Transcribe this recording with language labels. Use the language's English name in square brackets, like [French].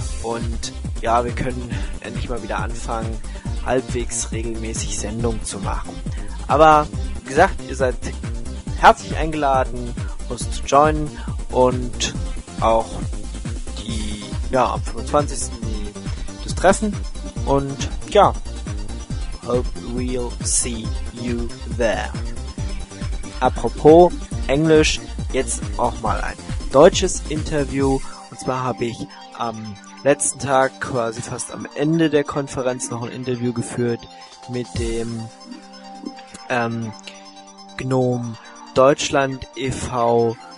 [German] Und ja, wir können endlich mal wieder anfangen, halbwegs regelmäßig Sendung zu machen. Aber wie gesagt, ihr seid herzlich eingeladen, uns zu joinen und auch die ja am 25. das Treffen. Und ja, [English] hope we'll see you there. [German] Apropos Englisch, jetzt auch mal ein deutsches Interview. Und zwar habe ich am letzten Tag, quasi fast am Ende der Konferenz, noch ein Interview geführt mit dem GNOME Deutschland e.V.